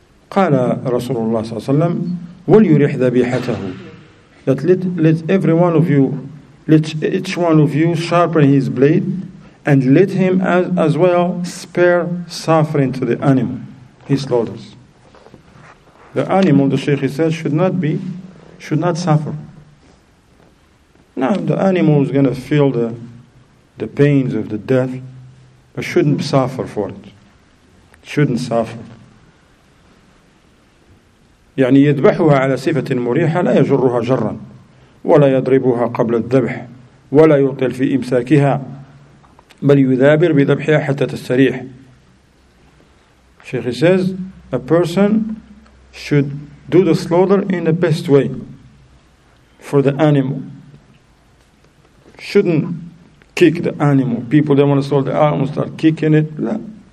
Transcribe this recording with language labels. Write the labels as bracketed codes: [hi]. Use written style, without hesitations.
[ar] قال رسول الله صلى الله عليه وسلم وليريح ذبيحته. [en] That let every one of you, let each one of you sharpen his blade and let him as well spare suffering to the animal he slaughters. The animal, the Sheikh said, should not suffer. Now the animal is going to feel the pains of the death, but shouldn't suffer for it. Shouldn't suffer. [ar] يعني يذبحها على صفة مريحة لا يجرها جرا ولا يضربها قبل الذبح ولا يطيل في إمساكها بل يذابر بذبحها حتى تستريح. [en] Sheikh says, a person should do the slaughter in the best way for the animal. Shouldn't kick the animal. People that want to slaughter the animal start kicking it. [ar] لا.